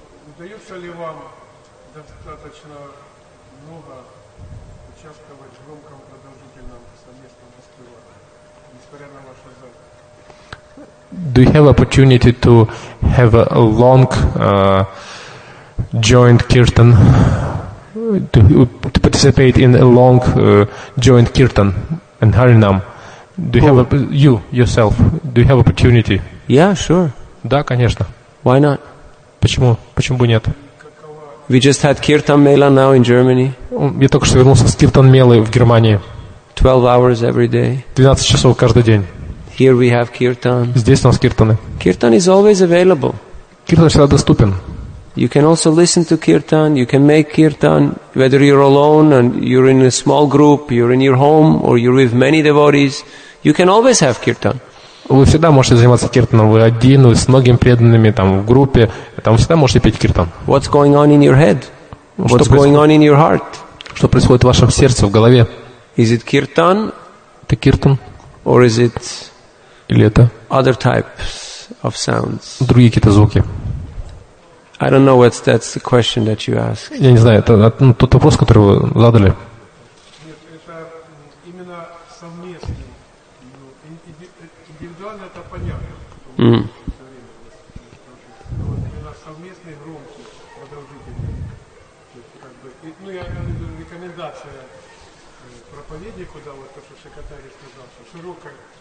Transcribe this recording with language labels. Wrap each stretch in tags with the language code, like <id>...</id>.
<ru>Удается ли вам достаточно много участвовать в громком продолжительном совместном воспевании, несмотря на ваше занятие?</ru> <en>Do you have opportunity to have a long joint kirtan, to participate in a long joint kirtan and harinam? Do you have yourself? Do you have opportunity? Yeah, sure.</en> <ru>Да, конечно.</ru> <en>Why not?</en> <ru>Почему? Почему бы нет?</ru> <en>We just had Kirtan Mela now in Germany.</en> <ru>Я только что вернулся с Kirtan Mela в Германии.</ru> <en>12 hours every day.</en> <ru>12 часов каждый день.</ru> <en>Here we have Kirtan.</en> <ru>Здесь у нас Kirtany.</ru> <en>Kirtan is always available.</en> <ru>Kirtan всегда доступен.</ru> <en>You can also listen to Kirtan, you can make Kirtan, whether you're alone and you're in a small group, you're in your home, or you're with many devotees, you can always have Kirtan.</en> <ru>Вы всегда можете заниматься Kirtanом, вы один, вы с многими преданными, там, в группе, там, всегда можете петь Kirtan.</ru> <en>What's going on in your head? What's going on in your heart?</en> <ru>Что происходит в вашем сердце, в голове?</ru> <en>Is it Kirtan?</en> <ru>Это Kirtan?</ru> <en>Or is it...</en> <ru>Или это?</ru> <en>Other types of sounds.</en> <ru>Другие какие-то звуки.</ru> <en>I don't know what's that's the question that you asked.</en> <ru>Я не знаю, это тот вопрос, который вы задали. Нет, это именно совместный. Ну, индивидуально это понятно. Mm. Вот именно совместный, громкий, продолжительный. То есть, как бы, и, ну, я рекомендация проповеди, куда вот то, что Шикотари сказал, что широкая.</ru>